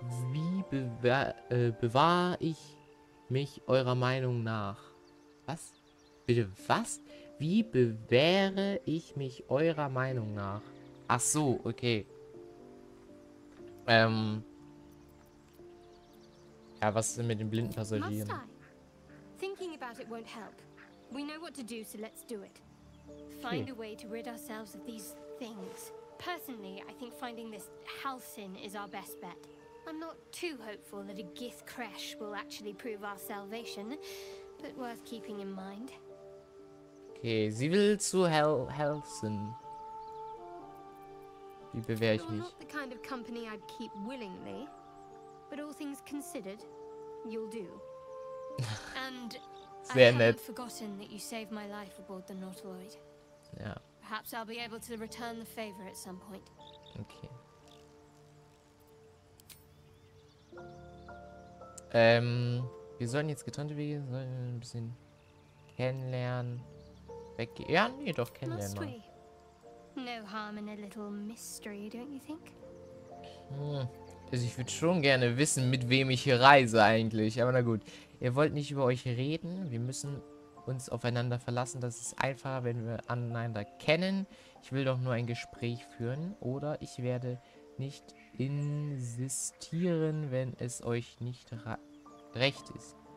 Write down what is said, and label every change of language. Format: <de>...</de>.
<de>Wie bewahre ich mich eurer Meinung nach? Was? Bitte was? Wie bewähre ich mich eurer Meinung nach? Ach so, okay. Ja, was ist denn mit den blinden Passagieren?</de> <en>Thinking about it won't help. We know what to do, so let's do it. Find a way to rid ourselves of these things. Personally, I think finding this Halcyn is our best bet. I'm not too hopeful that a Gith crash will actually prove our salvation, but worth keeping in mind.</en> <de>Okay, sie will zu Halcyn. Wie bewähre ich mich?</de> <en>You're not the kind of company I'd keep willingly, but all things considered, you'll do. And</en> <de>sehr nett.</de> <en>I haven't forgotten that you saved my life aboard the Nautiloid.</en> <de>Ja.</de> <en>Perhaps I'll be able to return the favor at some point.</en> <de>Okay. Wir sollen jetzt getrennte Wege ein bisschen kennenlernen. Weggehen. Ja, nee, doch kennenlernen.</de> <en>Must we? No harm in a little mystery, don't you think?</en> <de>Also ich würde schon gerne wissen, mit wem ich hier reise eigentlich. Aber na gut. Ihr wollt nicht über euch reden. Wir müssen uns aufeinander verlassen. Das ist einfacher, wenn wir aneinander kennen. Ich will doch nur ein Gespräch führen. Oder ich werde nicht insistieren, wenn es euch nicht recht ist.</de>